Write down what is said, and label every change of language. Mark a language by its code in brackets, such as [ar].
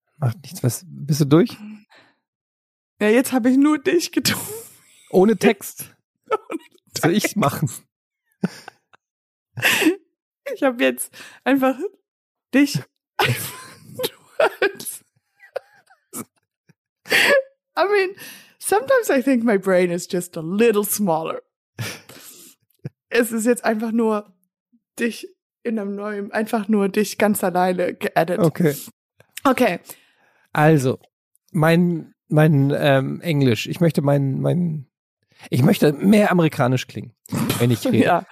[de] Macht nichts. Was? Bist du durch? Ja, jetzt habe ich nur dich getroffen. Ohne Text. Soll ich's machen? Ich habe jetzt einfach dich. [en] I mean, sometimes I think my brain is just a little smaller. [de] Es ist jetzt einfach nur dich in einem neuen, einfach nur dich ganz alleine geedit. Okay. Okay. Also, mein Englisch. Ich möchte ich möchte mehr amerikanisch klingen, wenn ich rede. Ja.